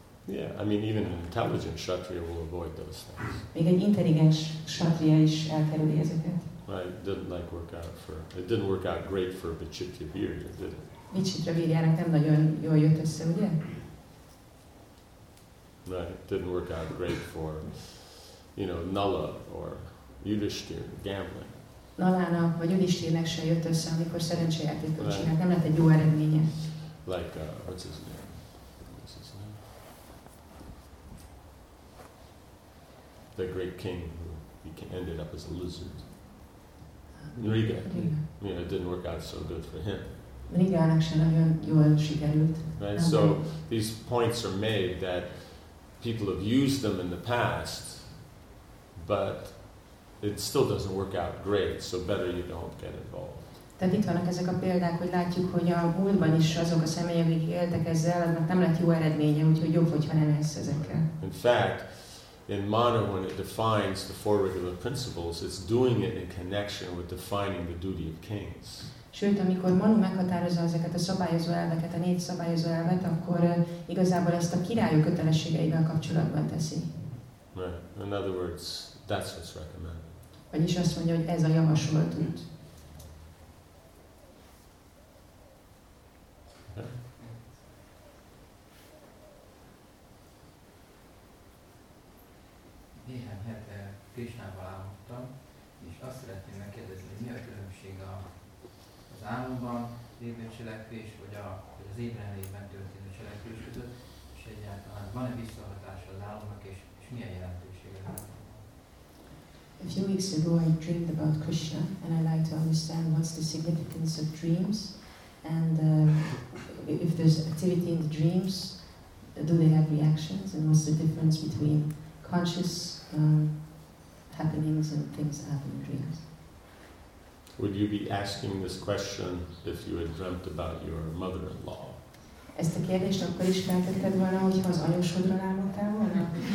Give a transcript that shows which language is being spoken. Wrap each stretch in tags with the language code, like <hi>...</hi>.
<en>Yeah, I mean, even an intelligent kshatriya will avoid those things.</en> <hu>Még egy intelligens kshatriya is elkerüli ezeket.</hu> <en>Right, it didn't work out great for Vichitravirya, did it?</en> <hu>Vichitravirjának nem nagyon jól jött össze, ugye?</hu> <en>Right, it didn't work out great for, you know, Nala or Yudhishthir gambling.</en> <hu>Nalának vagy Yudhishthirnek sem jött össze, amikor szerencsejátékot csinált. Nem lett egy jó eredménye.</hu> <en>Like, what's his name? The great king who ended up as a lizard. Nriga. Yeah, it didn't work out so good for him.</en> <hu>Nriga-nak sem nagyon jól sikerült.</hu> <en>Right, so these points are made that people have used them in the past, but it still doesn't work out great, so better you don't get involved.</en> <hu>Tehát itt vannak ezek a példák, hogy látjuk, hogy a múltban is azok a személyek, akik éltek ezzel, annak nem lett jó eredménye, úgyhogy jobb, hogyha nem élsz ezekkel.</hu> <en>In fact, in mana, when it defines the four regular principles, it's doing it in connection with defining the duty of kings.</en> <hu>Sőt, amikor Manu meghatározza ezeket a szabályozó elveket, a négy szabályozó elvet, akkor igazából ezt a királyok kötelességeivel kapcsolatban teszi.</hu> <en>Right. In other words, that's what's recommended.</en> <hu>Vagyis azt mondja, hogy ez a javasolt út. Néhány hete Krisnával álmodtam, és azt szeretném megkérdezni, hogy mi a különbség az álomban lévő cselekvés, vagy az ébrenlétben történő cselekvés között, és egyáltalán van-e visszahatás az álomnak, és milyen jelentősége van?</hu> <en>A few weeks ago I dreamed about Krishna and I'd like to understand what's the significance of dreams and if there's activity in the dreams, do they have reactions and what's the difference between conscious happenings and things that happen in dreams. Would you be asking this question if you had dreamt about your mother-in-law?</en> <hu>Ezt a kérdést akkor is feltetted volna, hogyha az anyósodról álmodtál volna?</hu>